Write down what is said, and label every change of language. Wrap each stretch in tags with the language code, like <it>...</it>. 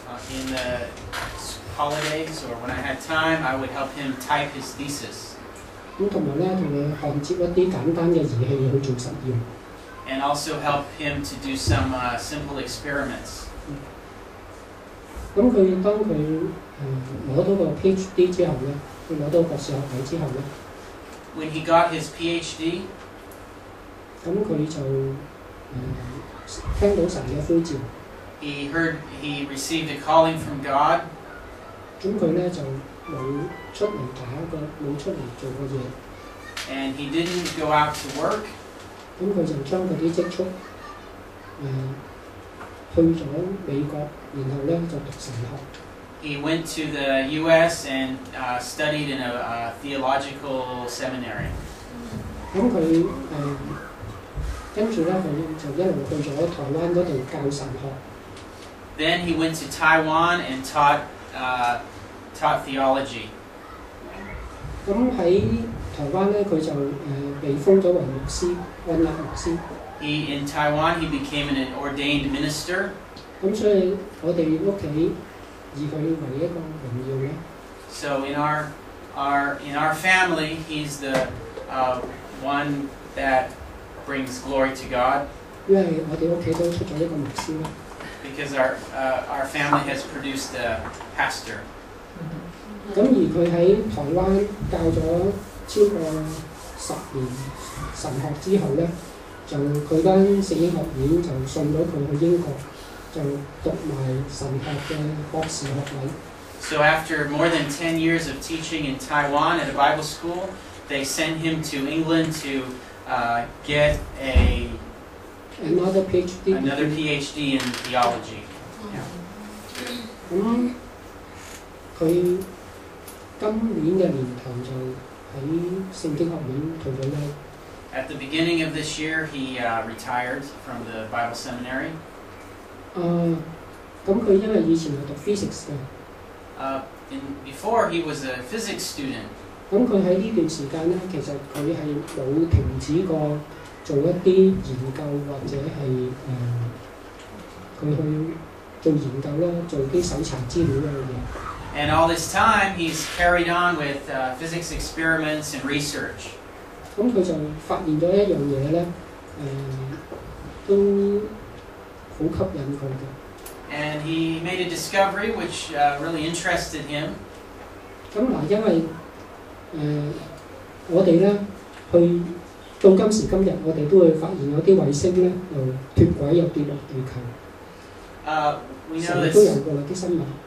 <en>In the holidays or when I had time, I would help him type his thesis.</en> <yue>咁同埋咧，同佢焊接一啲簡單嘅儀器去做實驗。</yue> <en>And also help him to do some simple experiments.</en> <yue>咁佢當佢攞到個 PhD 之後咧，佢攞到博士學位之後咧。</yue> <en>When he got his PhD.</en> <yue>咁佢就聽到神嘅呼召。</yue> <en>He received a calling from God.</en> <yue>咁佢咧就冇出嚟打個，冇出嚟做個嘢。</yue> <en>And he didn't go out to work.</en> <yue>咁佢就將嗰啲積蓄去咗美國，然後咧就讀神學。</yue> <en>He went to the U.S. and studied in a theological seminary.</en> <yue>咁佢跟住咧，佢就一路去咗台灣嗰度教神學。</yue> <en>Then he went to Taiwan and taught theology.</en> <yue>咁喺台灣咧，佢就被封咗為牧師，安立牧師。</yue> <en>He in Taiwan, he became an ordained minister.</en> <yue>咁所以我哋屋企以佢為一個榮耀咧。</yue> <en>So in our family, he's the one that. Brings glory to God. Because our family has produced a pastor.</en> <yue>咁而佢喺台灣教咗超過10年神學之後咧，就佢間聖經學院就送咗佢去英國，就讀埋神學嘅博士學位。</yue> <en>So after more than 10 years of teaching in Taiwan at a Bible school, they sent him to England to. Get another PhD in theology.</en> <yue>咁佢今年嘅年頭就喺聖經學院退咗休。</yue> <en>At the beginning of this year, he retired from the Bible seminary.</en> <yue>咁佢因為以前係讀 physics 嘅。</yue> <en>Before he was a physics student.</en> <yue>咁佢喺呢段時間咧，其實佢係冇停止過做一啲研究或者係佢去做研究啦，做啲搜查資料嘅嘢。</yue> <en>And all this time, he's carried on with physics experiments and research.</en> <yue>咁佢就發現咗一樣嘢咧，都好吸引佢嘅。</yue> <en>And he made a discovery which really interested him.</en> <yue>咁嗱，因為我哋咧去到今時今日，我哋都會發現有啲衛星咧又脱軌又跌落地球。</yue>